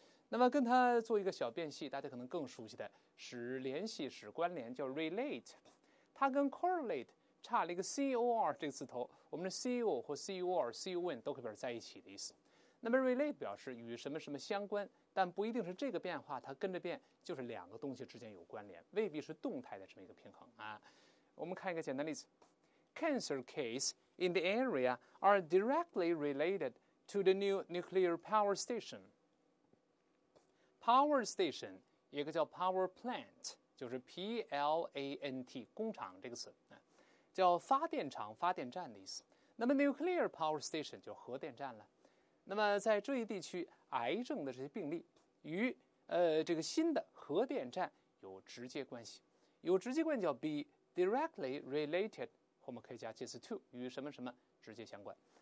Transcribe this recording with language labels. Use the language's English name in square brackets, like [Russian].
[Chinese] 那么跟它做一个小变系，大家可能更熟悉的使联系使关联叫 relate， 它跟 correlate 差了一个 cor 这个字头，我们的 co 或 cor con 都可以表示在一起的意思。那么 relate 表示与什么什么相关，但不一定是这个变化它跟着变，就是两个东西之间有关联，未必是动态的这么一个平衡啊。我们看一个简单例子， [English] cancer case in the area are directly related to the new nuclear power stationPower station 一个叫 power plant， 就是 PLANT 工厂这个词。 [Chinese] 叫发电厂、发电站的意思。那么 nuclear power station 就核电站了。那么在这一地区，癌症的这些病例与这个新的核电站有直接关系，有直接关系叫 [English] be directly related， [Chinese] 后面可以加介词 to， 与什么什么直接相关。